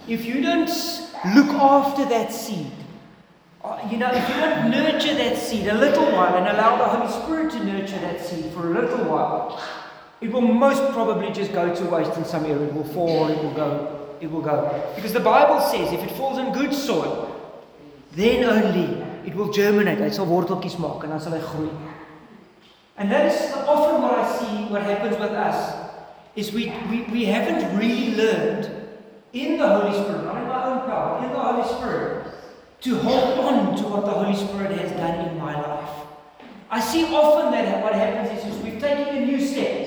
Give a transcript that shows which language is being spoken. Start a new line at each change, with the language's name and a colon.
English: If you don't look after that seed, you know, if you don't nurture that seed a little while and allow the Holy Spirit to nurture that seed for a little while, it will most probably just go to waste in some area. It will fall, it will go. Because the Bible says if it falls in good soil, then only it will germinate.
Afrikaans: Hy sal worteltjies maak en dan sal hy groei.
English: And that is often what I see, what happens with us, is we haven't really learned in the Holy Spirit, not in my own power, in the Holy Spirit, to hold on to what the Holy Spirit has done in my life. I see often that what happens is we've taken a new step.